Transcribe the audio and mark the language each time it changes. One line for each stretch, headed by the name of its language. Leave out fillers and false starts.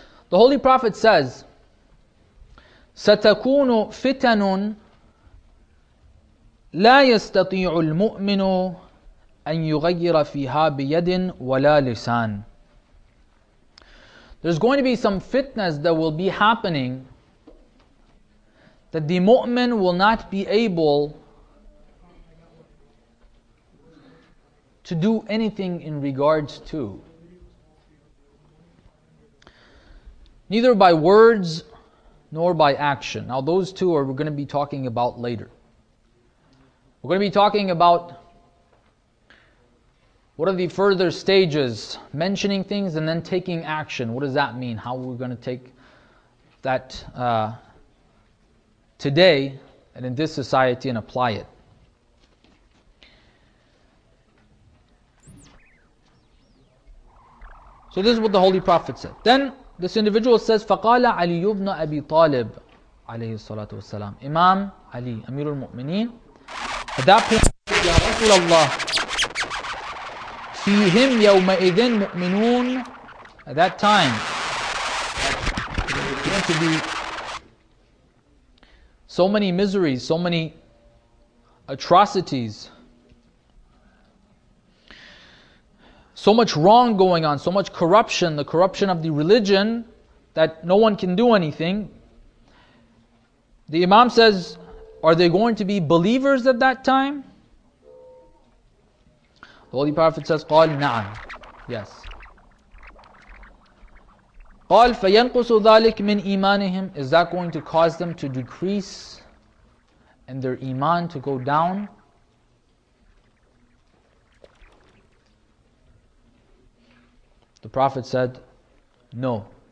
English: The Holy Prophet says,
Arabic: سَتَكُونُ فِتَنٌ لَا يَسْتَطِيعُ الْمُؤْمِنُ أَنْ يُغَيِّرَ فِيهَا بِيَدٍ وَلَا لِسَانٍ.
English: There's going to be some fitness that will be happening that the mu'min will not be able to do anything in regards to. Neither by words nor by action. Now those two are we're going to be talking about later. We're going to be talking about what are the further stages, mentioning things and then taking action. What does that mean? How are we going to take that today and in this society and apply it? So this is what the Holy Prophet said. Then this individual says,
Arabic: فَقَالَ عَلِيُّ بْنَ أَبِي طَالِبُ عَلَيْهِ الصَّلَاةُ وَالسَّلَامُ. Imam Ali, Amir al-Mu'mineen,
English: at that point,
Arabic: يَا رَسُولَ اللَّهِ فِيهِمْ يَوْمَئِذٍ مُؤْمِنُونَ.
English: At that time, there was going to be so many miseries, so many atrocities, so much wrong going on, so much corruption, the corruption of the religion, that no one can do anything. The Imam says, are they going to be believers at that time? The Holy Prophet says,
Arabic: قال نعم.
English: Yes.
Arabic: قال فينقص ذلك من إيمانهم.
English: Is that going to cause them to decrease and their iman to go down? The Prophet said, no.